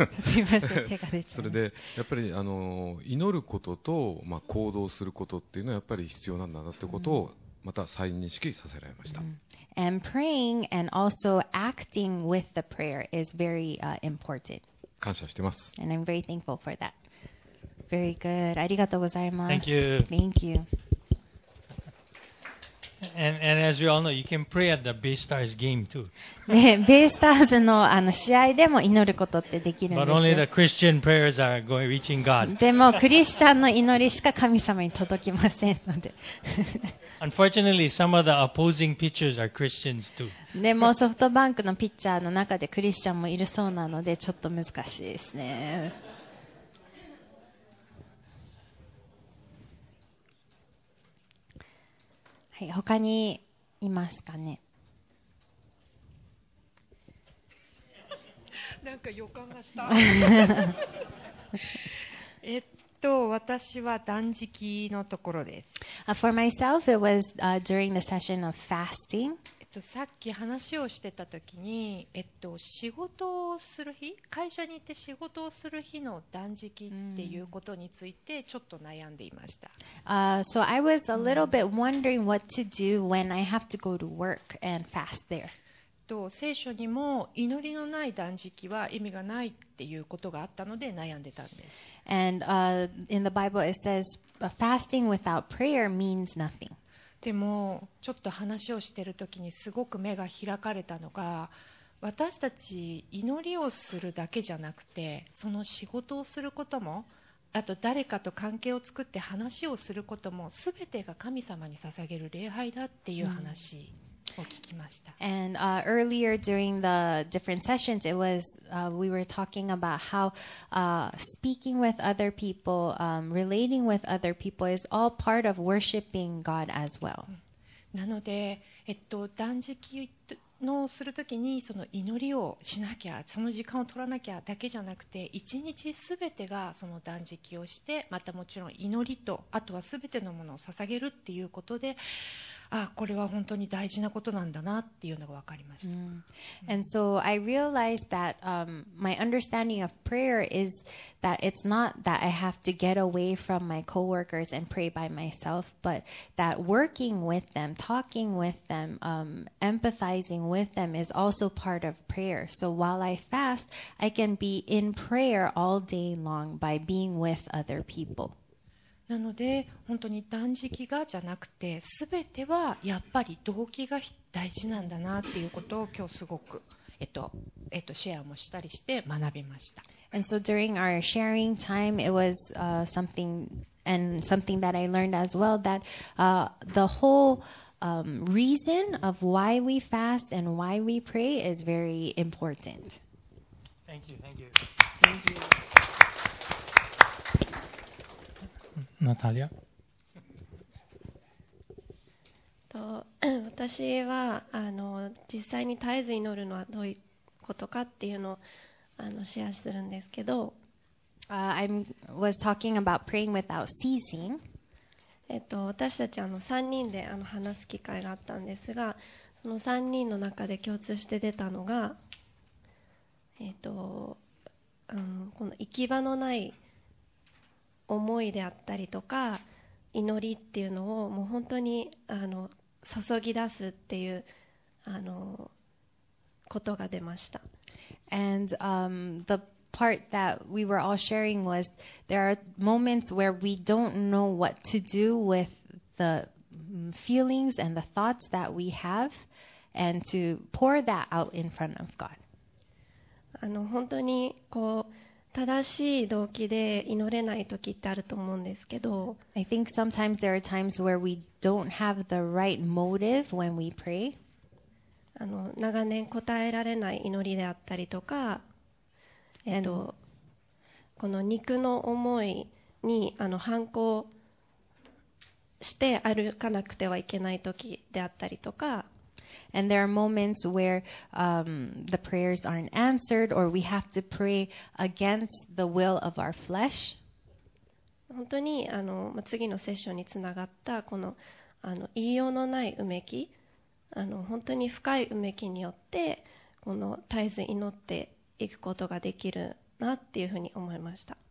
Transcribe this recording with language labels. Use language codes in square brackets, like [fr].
[ja] すいません、手が出ちゃう。それでやっぱり祈ることと、まあ、行動することっていうのはやっぱり必要なんだなってことを、mm-hmm. また再認識させられました。 [en] And praying and also acting with the prayer is very important. [ja] 感謝してます。 [en] And I'm very thankful for that. Very good. [ja] ありがとうございます。 [en] Thank you. Thank you. And as we all know, you can pray at the Baystars game too. [ja] ね、ベイスターズのあの試合でも祈ることってできるんですよ。 [en] But only the Christian prayers are going reaching God. [ja] でもクリスチャンの祈りしか神様に届きませんので。 [en] Unfortunately, some of the opposing pitchers are Christians too. [ja] でもソフトバンクのピッチャーの中でクリスチャンもいるそうなのでちょっと難しいですね。他にいますかね。なんか予感がした。私は断食のところです。 [en] For myself, it was during the session of fasting. [ja] さっき話をしてた時に、仕事をする日、会社に行って仕事をする日の断食っていうことについてちょっと悩んでいました。 [en] So I was a little bit wondering what to do when I have to go to work and fast there. [ja] 聖書にも祈りのない断食は意味がないっていうことがあったので悩んでたんです。 [en] And in the Bible it says fasting without prayer means nothing. [ja] でもちょっと話をしている時にすごく目が開かれたのが、私たち祈りをするだけじゃなくて、その仕事をすることも、あと誰かと関係を作って話をすることも、すべてが神様に捧げる礼拝だっていう話を聞きました。 Mm-hmm. [en] And earlier during the different sessions, it was we were talking about how speaking with other people, relating with other people is all part of worshiping God as well. [ja] なので、断食のするときにその祈りをしなきゃ、その時間を取らなきゃだけじゃなくて、一日すべてがその断食をして、またもちろん祈りと、あとはすべてのものを捧げるっていうことで、ああこれは本当に大事なことなんだなっていうのが分かりました。 [en] And so I realized that my understanding of prayer is that it's not that I have to get away from my coworkers and pray by myself, but that working with them, talking with them, empathizing with them is also part of prayer. So while I fast, I can be in prayer all day long by being with other people. [ja] なので本当に断食がじゃなくて、すべてはやっぱり動機が大事なんだなっていうことを今日すごくシェアもしたりして学びました。 [en] And so during our sharing time, it was something that I learned as well that the whole reason of why we fast and why we pray is very important. Thank you, thank you. Thank you. Natalia. [ja] と私は実際に絶えず祈るのはどういうことかっていうのをシェアするんですけど、 [en] I was talking about praying without ceasing. [ja] 私たち3人で話す機会があったんですが、その3人の中で共通して出たのが、この行き場のない思いであったりとか祈りっていうのをもう本当に注ぎ出すっていうことが出ました。 [en] And the part that we were all sharing was there are moments where we don't know what to do with the feelings and the thoughts that we have and to pour that out in front of God. [ja] 本当にこう正しい動機で祈れない時ってあると思うんですけど、 [en] I think sometimes there are times where we don't have the right motive when we pray. [ja] 長年答えられない祈りであったりとか、この肉の思いに反抗して歩かなくてはいけない時であったりとか、 [en] And there are moments where the prayers aren't answered, or we have to pray against the will of our flesh. [ja] 本当に次のセッションにつながったこの言いようのないうめき、本当に深いうめきによってこの絶えず祈っていくことができるなっていうふうに思いました。